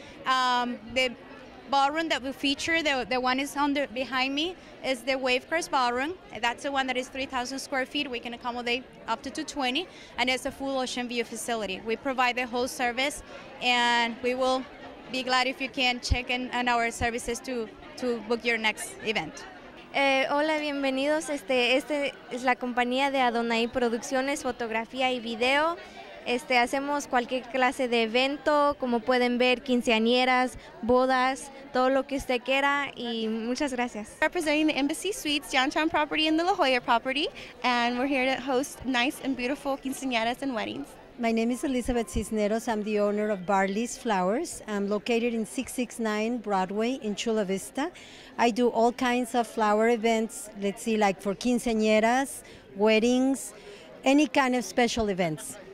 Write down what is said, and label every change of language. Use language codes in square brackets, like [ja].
[en] The ballroom that we feature, the one is on the behind me, is the Wave Crest Ballroom. That's the one that is 3,000 square feet. We can accommodate up to 220, and it's a full ocean view facility. We provide the whole service, and we will be glad if you can check in on our services to book your next event. [es] Hola, bienvenidos. Este es la compañía de Adonai Producciones, Fotografía y Video. Hacemos cualquier clase de evento, como pueden ver, quinceañeras, bodas, todo lo que usted quiera, y muchas gracias. [en] Representing the Embassy Suites downtown property and the La Jolla property, and we're here to host nice and beautiful quinceañeras and weddings. My name is Elizabeth Cisneros. I'm the owner of Barley's Flowers. I'm located in 669 Broadway in Chula Vista. I do all kinds of flower events, let's see, like for quinceañeras, weddings, any kind of special events.